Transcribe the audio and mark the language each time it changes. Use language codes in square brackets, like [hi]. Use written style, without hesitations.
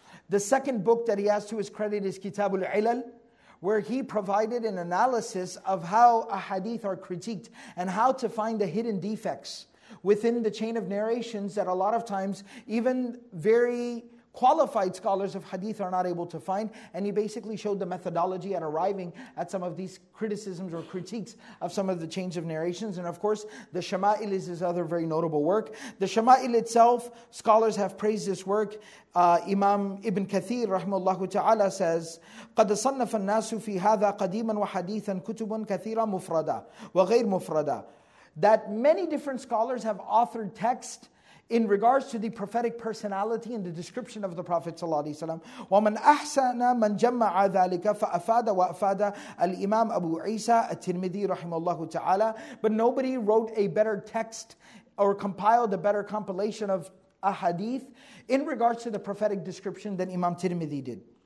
[en] The second book that he has to his credit is Kitab al-Ilal, where he provided an analysis of how a hadith are critiqued, and how to find the hidden defects within the chain of narrations that a lot of times, even very qualified scholars of hadith are not able to find, and he basically showed the methodology at arriving at some of these criticisms or critiques of some of the chains of narrations. And of course, the Shama'il is his other very notable work. The Shama'il itself, scholars have praised this work. Imam Ibn Kathir, rahimahullahu ta'ala, says, [ar] قَدْ صَنَّفَ النَّاسُ فِي هَذَا قَدِيمًا وَحَدِيثًا كُتُبٌ كَثِيرًا مُفْرَدًا وَغَيْرٌ مُفْرَدًا. [en] That many different scholars have authored texts in regards to the prophetic personality and the description of the Prophet ﷺ. [ar] وَمَنْ أَحْسَنَ مَنْ جَمَّعَ ذَلِكَ فَأَفَادَ وَأَفَادَ الْإِمَامُ أَبُو عِيسَى التِّرْمِذِي رَحِمَ اللَّهُ تَعَالَى. [en] But nobody wrote a better text or compiled a better compilation of a hadith in regards to the prophetic description than Imam Tirmidhi did.